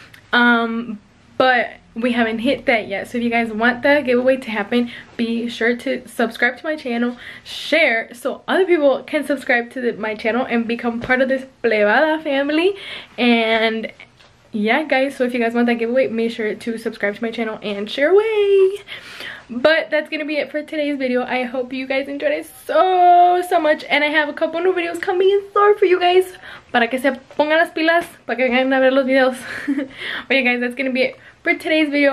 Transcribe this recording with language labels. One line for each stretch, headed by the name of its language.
English: But we haven't hit that yet. So if you guys want the giveaway to happen, be sure to subscribe to my channel, share so other people can subscribe to my channel and become part of this plebada family. And yeah, guys, so if you guys want that giveaway, make sure to subscribe to my channel and share away. But that's gonna be it for today's video. I hope you guys enjoyed it so much, and I have a couple new videos coming in store for you guys.
Spanish: Para que se pongan las pilas, para que vengan a ver los videos.
English: But yeah, guys, that's gonna be it for today's video.